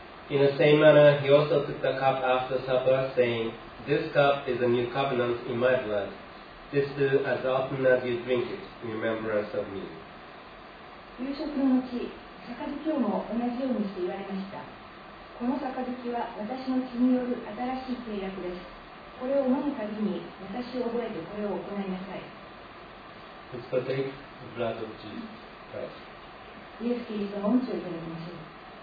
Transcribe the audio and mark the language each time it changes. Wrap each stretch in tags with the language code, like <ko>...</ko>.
<en>In the same manner, he also took the cup after supper, saying, This cup is a new covenant in my blood. This do as often as you drink it, in remembrance of me.</en> <ja>夕食の後、杯をも同じようにして言われました。この杯は私の血による新しい契約です。これを飲むたびに私を覚えてこれを行いなさい。</ja> <en>Let's partake the blood of Jesus Christ.</en> <ja>イエス・キリストの御血をいただきましょう。</ja>